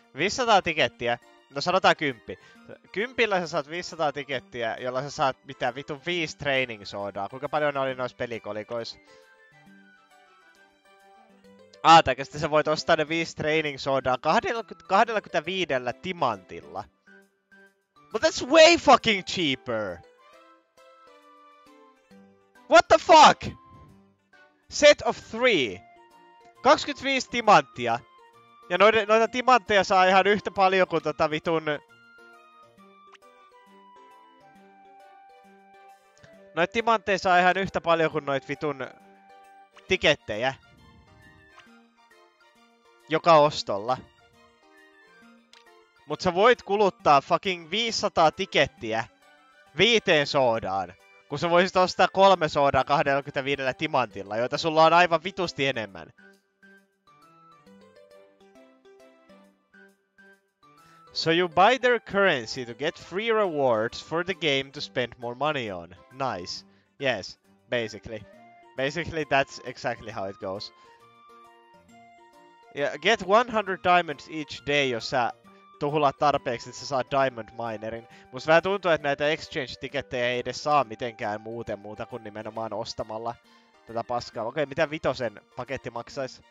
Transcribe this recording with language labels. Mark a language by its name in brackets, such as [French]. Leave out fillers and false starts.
[Finnish] 500 tikettiä, no sanotaan 10. Kympillä sä saat 500 tikettiä, jolla sä saat mitä vitun 5 training soodaa. Kuinka paljon ne oli noissa pelikolikois? Tai sä voit ostaa ne 5 training soodaa 25 timantilla. [English] But that's way fucking cheaper! What the fuck? Set of 3. [Finnish] 25 timanttia. Ja noita timantteja saa ihan yhtä paljon kuin tota vitun... Noita timantteja saa ihan yhtä paljon kuin noita vitun... tikettejä. joka ostolla. Mut sä voit kuluttaa fucking 500 tikettiä 5 soodaan, kun sä voisit ostaa 3 soodaa 25 timantilla, joita sulla on aivan vitusti enemmän. [English] So you buy their currency to get free rewards for the game to spend more money on. Nice. Yes, basically. Basically, that's exactly how it goes. Yeah, get 100 diamonds each day, [Finnish] jos sä tuhulat tarpeeksi, että sä saat diamond minerin. Musta vähän tuntuu, että näitä exchange-tikettejä ei edes saa mitenkään muuta kuin nimenomaan ostamalla tätä paskaa. Okei, mitä 5 paketti maksaisi?